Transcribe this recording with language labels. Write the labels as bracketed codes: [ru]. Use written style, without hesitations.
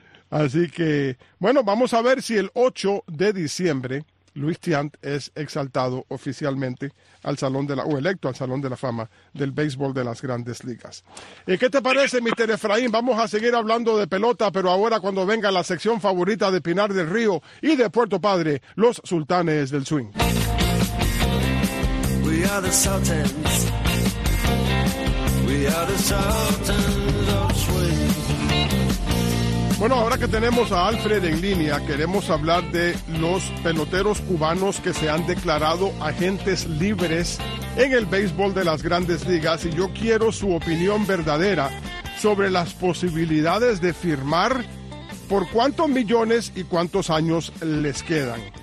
[es] Así que, bueno, vamos a ver si el 8 de diciembre Luis Tiant es exaltado oficialmente al Salón de la Fama, o electo al Salón de la Fama del béisbol de las Grandes Ligas. ¿Qué te parece, Mr. Efraín? Vamos a seguir hablando de pelota, pero ahora cuando venga la sección favorita de Pinar del Río y de Puerto Padre, los Sultanes del Swing. [en] We are the Sultans. We are the Sultans of Swing. [es] Bueno, ahora que tenemos a Alfred en línea, queremos hablar de los peloteros cubanos que se han declarado agentes libres en el béisbol de las Grandes Ligas, y yo quiero su opinión verdadera sobre las posibilidades de firmar, por cuántos millones y cuántos años les quedan.